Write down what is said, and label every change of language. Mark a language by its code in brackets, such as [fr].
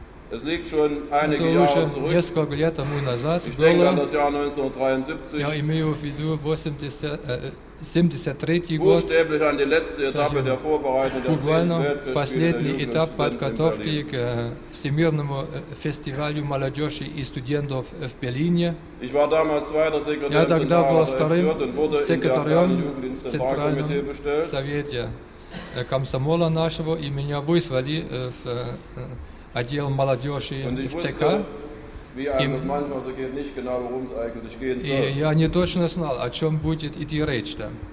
[de] Es liegt schon einige Jahre zurück. Ich denke an das Jahr 1973. [ru] Я имею в виду 73-й год. [de] Buchstäblich an die letzte Etappe der Vorbereitung der 10. Weltfestspiele. [ru] Последний этап подготовки к Всемирному фестивалю молодежи и студентов в Берлине. [de] Ich war damals zweiter Sekretär des Jugendzentralkomitees [ru] Совета комсомола нашего, и меня вызвали в отдел молодежи в ЦК, и я не точно знал, о чем будет идти речь там.